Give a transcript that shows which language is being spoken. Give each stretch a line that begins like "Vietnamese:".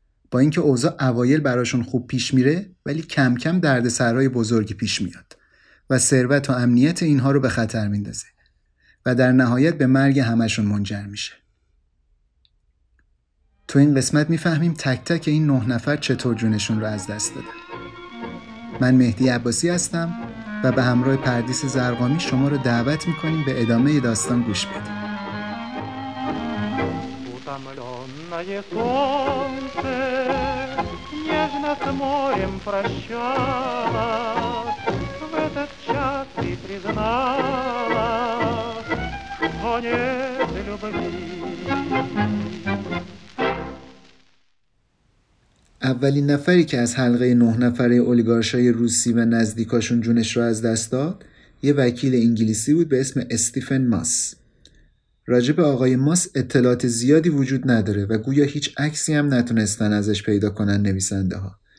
Persian: با اینکه اوضاع اوایل براشون خوب پیش میره، ولی کم کم دردسرای بزرگی پیش میاد و ثروت و امنیت اینها رو به خطر میندازه و در نهایت به مرگ همشون منجر میشه. تو این قسمت میفهمیم تک تک این 9 نفر چطور جونشون رو از دست دادن. من مهدی عباسی هستم و به همراه پردیس زرقامی شما رو دعوت میکنیم به ادامه داستان گوش بدید.
Russian: Утомленное солнце нежно с морем прощалось, в этот час ты призналась, что нет любви.
Persian: اولین نفری که از حلقه 9 نفره اولیگارشای روسی و نزدیکاشون جونش رو از دست داد یه وکیل انگلیسی بود به اسم استیفن ماس. راجب آقای ماس اطلاعات زیادی وجود نداره و گویا هیچ عکسی هم نتونستن ازش پیدا کنن نویسنده ها.